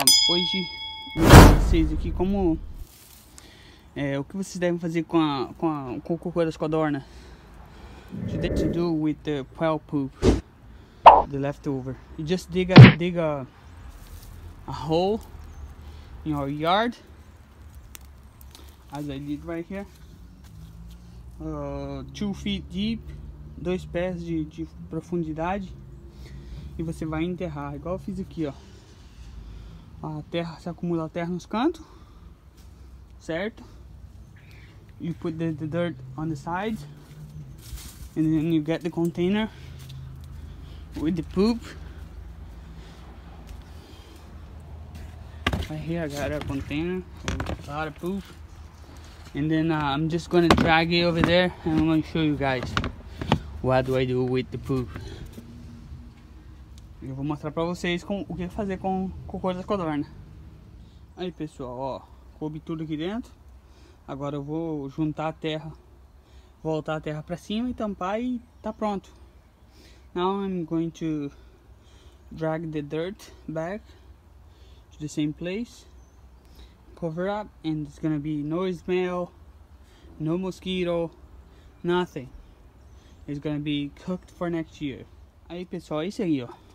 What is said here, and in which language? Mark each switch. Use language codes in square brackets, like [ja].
[pt] Hoje eu vou falar pra vocês aqui como o que vocês devem fazer com o cocô das codornas. [en] Today to do with the quail poop, the leftover. You just dig a hole in your yard, as I did right here. 2 feet deep, [pt] 2 pés de profundidade, e você vai enterrar, igual eu fiz aqui, ó. A terra, se acumula a terra nos cantos, certo? [en] You put the dirt on the side, and then you get the container with the poop. Right here I got a container with a lot of poop. And then I'm just gonna drag it over there, and I'm gonna show you guys what do I do with the poop. [pt] Eu vou mostrar pra vocês com, o que fazer com o cocô da codorna. Aí pessoal, ó, coube tudo aqui dentro. Agora eu vou juntar a terra, voltar a terra pra cima e tampar, e tá pronto. [en] Now I'm going to drag the dirt back to the same place, cover up, and it's gonna be no smell, no mosquito, nothing. It's gonna be cooked for next year. [pt] Aí pessoal, é isso aí, ó.